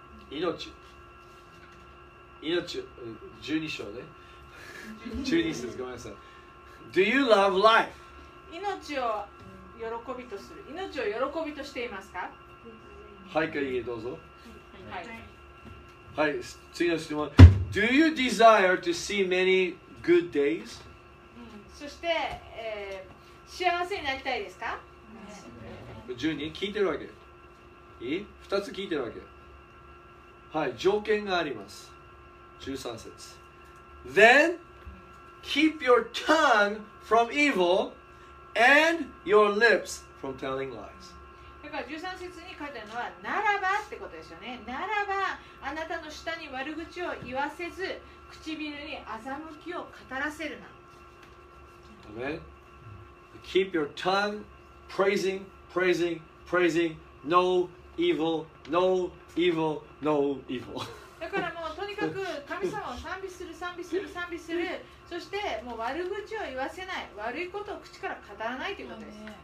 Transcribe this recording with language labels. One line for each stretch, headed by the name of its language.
Japanese: 命、命、12章ね、12節、ごめんなさい。
English: Do you love life?
Japanese: 命を喜びとする、命を喜びとしていますか？はい、かいいえ、どうぞ。はい、次の質問。
English: Do you desire to see many good days?
Japanese: そして、幸せになりたいですか？ 10人聞いてるわけ。いい？2つ聞いてるわけ。はい、条件があります。13節。
English: Then keep your tongue from evil and your lips from telling lies.
Japanese: だから13節に書いてあるのは、ならばってことですよね。ならば、あなたの舌に悪口を言わせず、唇に欺きを語らせるな。
English: Amen. Keep your tongue praising, praising, praising, no evil, no evil. No evil.
Japanese: だからもうとにかく神様を賛美する賛美する賛美する、そしてもう悪口を言わせない、悪いことを口から語らないということです。